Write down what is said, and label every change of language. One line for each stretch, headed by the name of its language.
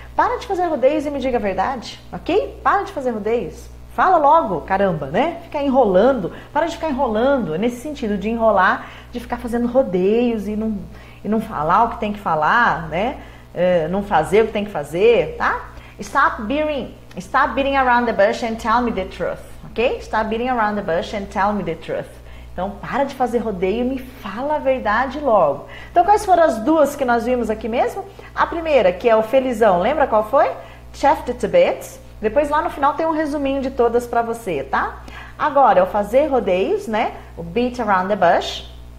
Portuguese: Para de fazer rodeios e me diga a verdade, ok? Para de fazer rodeios. Fala logo, caramba, né? Ficar enrolando. Para de ficar enrolando. Nesse sentido de enrolar, de ficar fazendo rodeios e não falar o que tem que falar, né? Não fazer o que tem que fazer, tá?
English: Stop beating around the bush and tell me the truth, ok? Stop beating around the bush and tell me the truth.
Portuguese: Então, para de fazer rodeio e me fala a verdade logo. Então, quais foram as duas que nós vimos aqui mesmo? A primeira, que é o felizão, lembra qual foi?
English: Chuffed to bits.
Portuguese: Depois, lá no final, tem um resuminho de todas para você, tá? Agora, é o fazer rodeios, né? O
English: beat around the bush.